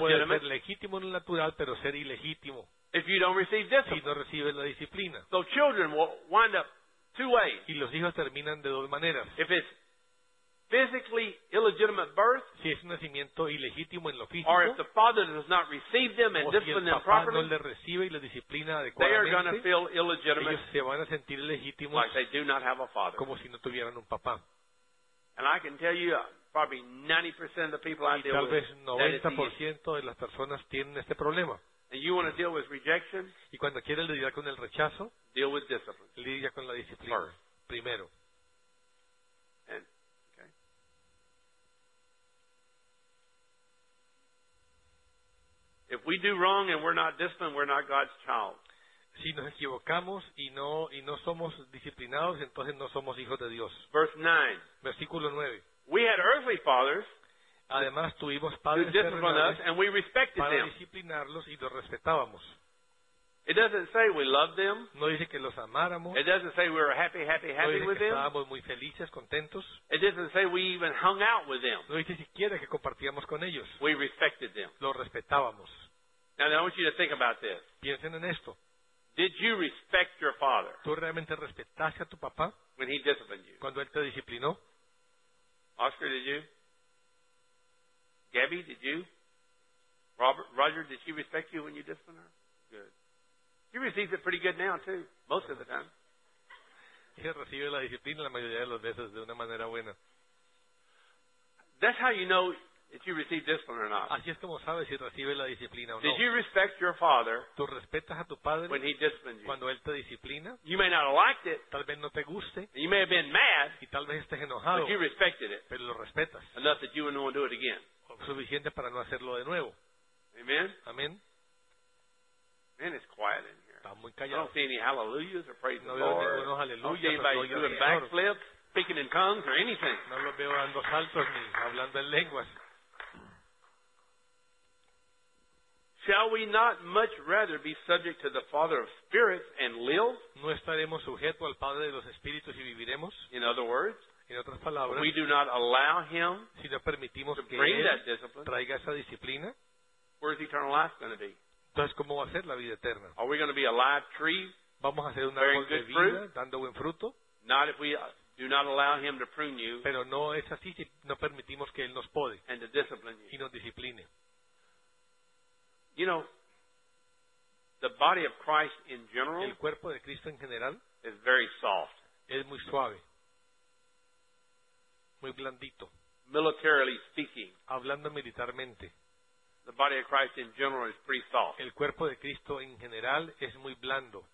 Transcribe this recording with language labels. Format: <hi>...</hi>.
<es>Puedes ser legítimo en lo natural, pero ser ilegítimo.</es> <en>If you don't receive discipline.</en> <es>Si no recibes la disciplina.</es> <en>So children will wind up two ways.</en> <es>Y los hijos terminan de dos maneras.</es> <en>If it's physically illegitimate birth.</en> <es>Si es un nacimiento ilegítimo en lo físico.</es> <en>Or if the father does not receive them and discipline them properly.</en> <es>O si el papá no le recibe y le disciplina adecuadamente.</es> <en>They are going to feel illegitimate.</en> <es>Ellos se van a sentir ilegítimos.</es> <en>Like they do not have a father.</en> <es>Como si no tuvieran un papá.</es> <en>And I can tell you probably 90% of the people I deal with.</en> <es>Y tal vez 90% de las personas tienen este problema.</es> <en>And you want to deal with rejection?</en> <es>Y cuando quieres lidiar con el rechazo,</es> <en>deal with discipline.</en> <es>Lidia con la disciplina.</es> <en>First.</en> <es>Primero.</es> <en>And, okay. If we do wrong and we're not disciplined, we're not God's child.</en> <es>Si nos equivocamos y no somos disciplinados, entonces no somos hijos de Dios.</es> <en>Verse 9.</en> <es>Versículo 9.</es> <en>We had earthly fathers.</en> <es>Además tuvimos padres terrenales</es> <en>and we respected</en> <es>para</es> <en>them.</en> <es>Disciplinarlos y los respetábamos.</es> <en>It doesn't say we loved them.</en> <es>No dice que los amáramos.</es> <en>It doesn't say we were happy</en> <es>no dice</es> <en>with</en> <es>que</es> <en>them.</en> <es>Estábamos muy felices, contentos.</es> <en>It doesn't say we even hung out with them.</en> <es>No dice siquiera que compartíamos con ellos.</es> <en>We respected them.</en> <es>Los respetábamos.</es> <en>Now I want you to think about this.</en> <es>Piensen en esto.</es> <en>Did you respect your father?</en> <es>¿Tú realmente respetaste a tu papá?</es> <en>When he disciplined you.</en> <es>Cuando él te disciplinó.</es> <en>Oscar, did you? Gabby, did you? Robert, Roger, did she respect you when you disciplined her? Good. She receives it pretty good now, too, most of the time.</en> <es>Ella recibe la disciplina la mayoría de las veces de una manera buena.</es> <en>That's how you know if you receive discipline or not.</en> <es>Así es como sabes si recibe la disciplina o no.</es> <en>Did you respect your father?</en> <es>¿Tú respetas a tu padre</es> <en>when he disciplined you?</en> <es>Cuando él te disciplina.</es> <en>You may not have liked it.</en> <es>Tal vez no te guste.</es> <en>You may have been mad.</en> <es>Y tal vez estés enojado.</es> <en>But you respected it.</en> <es>Pero lo respetas.</es> <en>Enough that you wouldn't want to do it again.</en> <es>Suficiente para no hacerlo de nuevo.</es> <en>Amen.</en> <es>Amen.</es> <en>Man, it's quiet in here.</en> <es>Está muy callado.</es> <en>I don't see any hallelujahs or praise</en> <es>no</es> <en>the Lord.</en> <es>No veo aleluya,</es> <en>I don't see anybody doing backflips, speaking in tongues or anything.</en> <es>No lo veo dando saltos ni hablando en lenguas.</es> <en>Shall we not much rather be subject to the Father of spirits and live?</en> <es>¿No estaremos sujetos al Padre de los espíritus y viviremos?</es> <en>In other words,</en> <es>en otras palabras,</es> <en>we do not allow him</en> <es>si no permitimos</es> <en>to bring</en> <es>que él</es> <en>that discipline,</en> <es>traiga esa disciplina,</es> <en>where is eternal life going to be?</en> <es>Entonces, ¿cómo va a ser la vida eterna?</es> <en>Are we going to be a live tree,</en> <es>vamos a ser un árbol de vida,</es> <en>fruit?</en> <es>Dando buen fruto?</es> <en>Not if we do not allow him to prune you,</en> <es>pero no es así si no permitimos que él nos pode</es> <en>and to discipline you.</en> <es>Y nos discipline.</es> <en>You know, the body of Christ in general,</en> <es>el cuerpo de Cristo en general,</es> <en>is very soft.</en> <es>Es muy suave. Muy blandito.</es> <en>Militarily speaking,</en> <es>hablando militarmente,</es> <en>the body of Christ in general is pretty soft.</en> <es>El cuerpo de Cristo en general es muy blando.</es>